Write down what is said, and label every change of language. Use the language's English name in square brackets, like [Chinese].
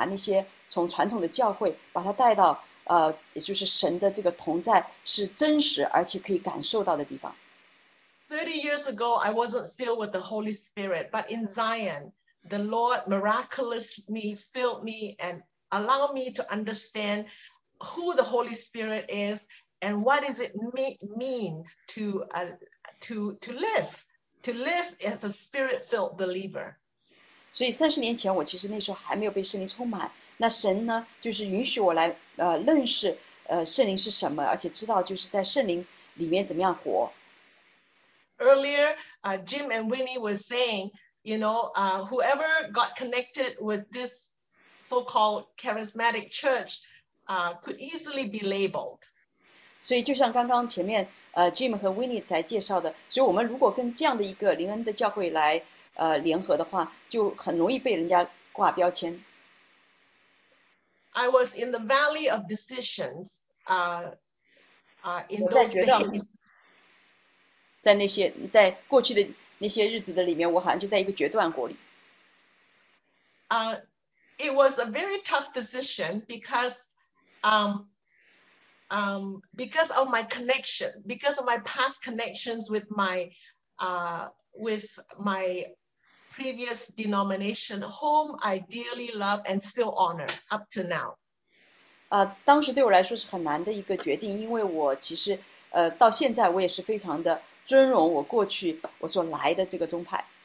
[Chinese] 所以先是启示性的讲的话，我想到我后面讲的5分钟就是讲到说怎么样就是神会把那些从传统的教会把它带到 [English] 30 years ago, I wasn't filled with the Holy Spirit, but in Zion, the Lord miraculously filled me and allowed me to understand who the Holy Spirit is and what does it mean to to live as a spirit-filled believer. [Chinese] 所以30年前我其实那时候还没有被圣灵充满，那神呢就是允许我来认识圣灵是什么，而且知道就是在圣灵里面怎么样活。 [English] Earlier, Jim and Winnie were saying, you know, whoever got connected with this so-called charismatic church, could easily be labeled. [Chinese] 所以就像刚刚前面Jim 和 Winnie 才介绍的，所以我们如果跟这样的一个灵恩的教会来联合的话，就很容易被人家挂标签。 [English] I was in the valley of decisions, in those days. [Chinese] 在那些在过去的那些日子的里面，我好像就在一个决断国里。 [English] It was a very tough decision because of my connection, because of my past connections with my previous denomination, whom I dearly love and still honor up to now. [Chinese] 当时对我来说是很难的一个决定，因为我其实到现在我也是非常的尊荣我过去我所来的这个宗派。